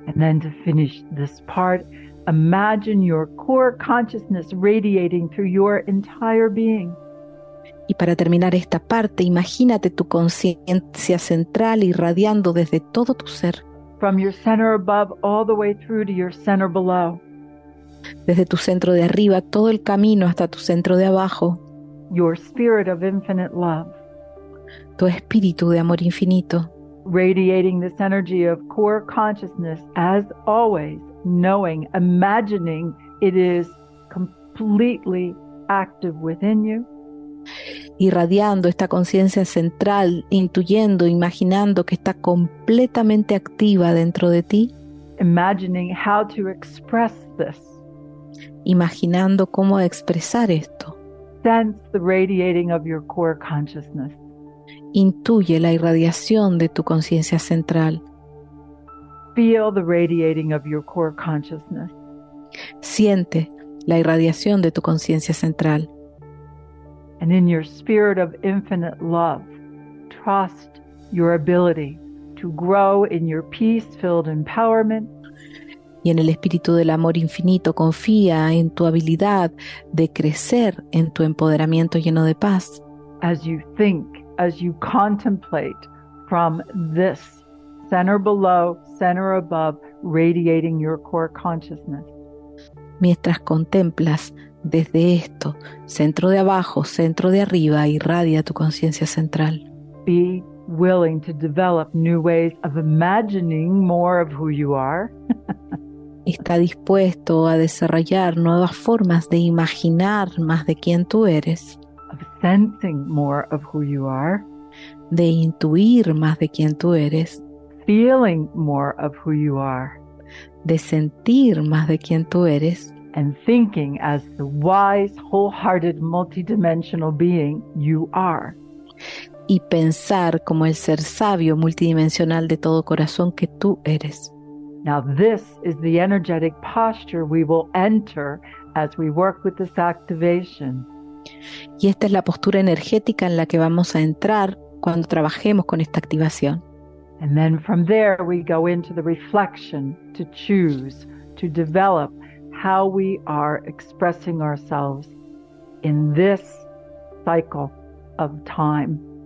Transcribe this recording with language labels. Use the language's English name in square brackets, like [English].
[English] And then to finish this part, imagine your core consciousness radiating through your entire being. [Spanish] Y para terminar esta parte, imagínate tu conciencia central irradiando desde todo tu ser. [English] From your center above all the way through to your center below. [Spanish] Desde tu centro de arriba, todo el camino hasta tu centro de abajo. [English] Your spirit of infinite love. [Spanish] Tu espíritu de amor infinito. [English] Radiating this energy of core consciousness as always, knowing, imagining it is completely active within you. [Spanish] Irradiando esta conciencia central, intuyendo, imaginando que está completamente activa dentro de ti. [English] Imagining how to express this. [Spanish] Imaginando cómo expresar esto. [English] sense the radiating of your core consciousness. [Spanish] Intuye la irradiación de tu conciencia central. [English] Feel the radiating of your core consciousness. [Spanish] Siente la irradiación de tu conciencia central. [English] And in your spirit of infinite love, trust your ability to grow in your peace-filled empowerment. [Spanish] Y en el espíritu del amor infinito, confía en tu habilidad de crecer en tu empoderamiento lleno de paz. [English] As you think, as you contemplate from this center below, center above, radiating your core consciousness. [Spanish] Mientras contemplas desde esto, centro de abajo, centro de arriba, irradia tu conciencia central. [English] Be willing to develop new ways of imagining more of who you are. [Spanish] Está dispuesto a desarrollar nuevas formas de imaginar más de quién tú eres. [English] Of sensing more of who you are. [Spanish] De intuir más de quién tú eres. [English] Feeling more of who you are. [Spanish] De sentir más de quién tú eres. [English] And thinking as the wise, wholehearted, multidimensional being you are. [Spanish] Y pensar como el ser sabio, multidimensional de todo corazón que tú eres. [English] Now this is the energetic posture we will enter as we work with this activation. [Spanish] Y esta es la postura energética en la que vamos a entrar cuando trabajemos con esta activación. [English] And then from there we go into the reflection to choose to develop how we are expressing ourselves in this cycle of time.